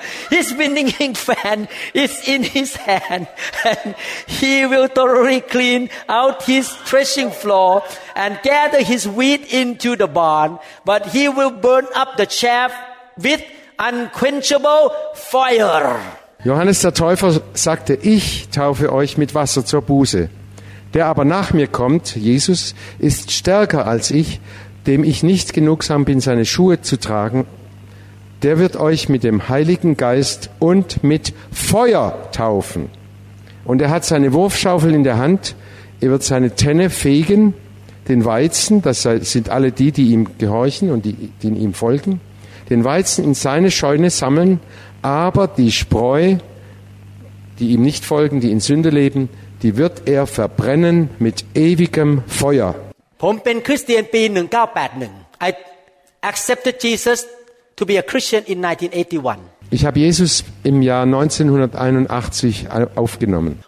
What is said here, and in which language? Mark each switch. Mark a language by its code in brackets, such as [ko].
[en] his winning fan is in his hand and he will thoroughly clean out his threshing floor and gather his wheat into the barn but he will burn up the chaff with unquenchable fire. [de] Johannes der Täufer sagte, ich taufe euch mit Wasser zur Buße. Der aber nach mir kommt, Jesus, ist stärker als ich, dem ich nicht genugsam bin, seine Schuhe zu tragen. Der wird euch mit dem Heiligen Geist und mit Feuer taufen. Und er hat seine Wurfschaufel in der Hand. Er wird seine Tenne fegen, den Weizen, das sind alle die, die ihm gehorchen und die ihm folgen, den Weizen in seine Scheune sammeln, aber die Spreu, die ihm nicht folgen, die in Sünde leben, die wird er verbrennen mit ewigem Feuer. [en] I accepted Jesus to be a Christian in 1981. [de] Ich habe Jesus im Jahr 1981 aufgenommen.